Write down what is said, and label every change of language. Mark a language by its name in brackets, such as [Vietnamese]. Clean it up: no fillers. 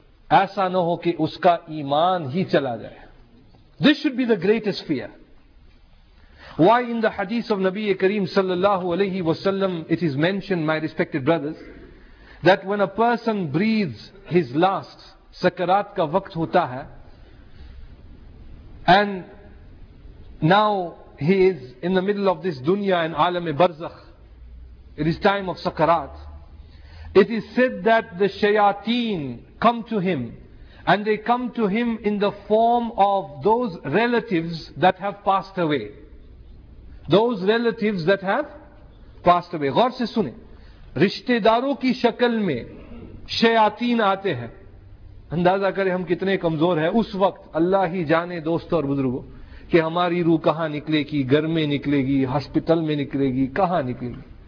[Urdu] ایسا نہ ہو کہ اس کا ایمان ہی چلا جائے. [English] This should be the greatest fear. Why in the hadith of Nabi Kareem sallallahu alayhi wasallam it is mentioned, my respected brothers, that when a person breathes his last, [Urdu] sakarat ka waqt hota hai, [English] and now he is in the middle of this dunya and alam-e-barzakh, it is time of sakarat, it is said that the shayateen come to him, and they come to him in the form of those relatives that have passed away. Those relatives that have passed away. [Urdu] غور سے سنیں, رشتے داروں کی شکل میں شیاطین آتے ہیں. اندازہ کریں ہم کتنے کمزور ہیں اس وقت. اللہ ہی جانے دوستو اور بزرگوں کہ ہماری روح کہاں نکلے گی, گھر میں نکلے گی, ہسپتال میں نکلے گی, کہاں نکلے گی.